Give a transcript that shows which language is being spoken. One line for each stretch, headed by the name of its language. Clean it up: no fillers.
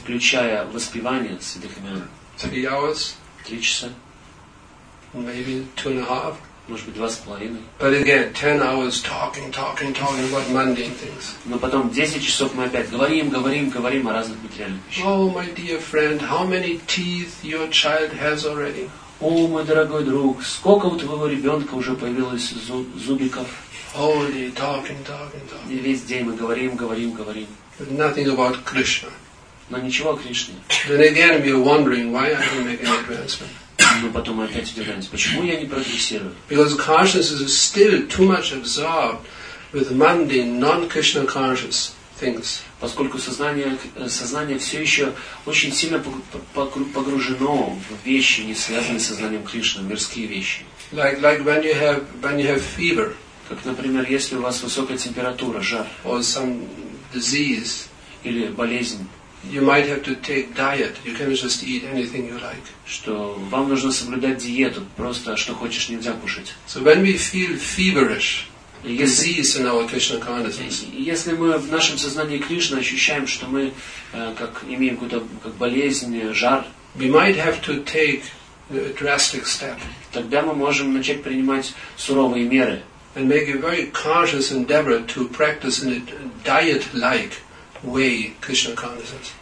Russian: Включая воспевание святых имен.
English: 3 hours.
Russian: 3 часа.
English: Maybe 2.5.
Russian: Может быть 2.5.
English: But again, 10 hours talking about mundane things.
Russian: Но потом 10 часов мы опять говорим о разных материальных вещах.
English: Oh, my dear friend, how many teeth your child has already?
Russian: О, мой дорогой друг, сколько у твоего ребенка уже появилось зубиков?
English: Holy, talking.
Russian: И весь день мы говорим.
English: But nothing about Krishna.
Russian: Но ничего о Кришне.
English: Then again we are wondering why I don't make any advancement.
Russian: Мы потом опять удивляемся, почему я не прогрессирую?
English: Because consciousness is still too much absorbed with mundane, non-Krishna conscious things.
Russian: Поскольку сознание все еще очень сильно погружено в вещи, не связанные с сознанием Кришны, мирские вещи.
English: Like when you have fever.
Russian: Как, например, если у вас высокая температура, жар.
English: Or some disease.
Russian: Или болезнь.
English: You might have to take diet. You can just eat anything you like.
Russian: Что вам нужно соблюдать диету, просто что хочешь нельзя кушать.
English: So when we feel feverish, disease in our Krishna consciousness.
Russian: Если мы в нашем сознании Кришны ощущаем, что мы как имеем какую-то как болезнь, жар,
English: we might have to take a drastic step.
Russian: Тогда мы можем начать принимать суровые меры.
English: And make a very conscious endeavor to practice in a diet-like way Krishna consciousness.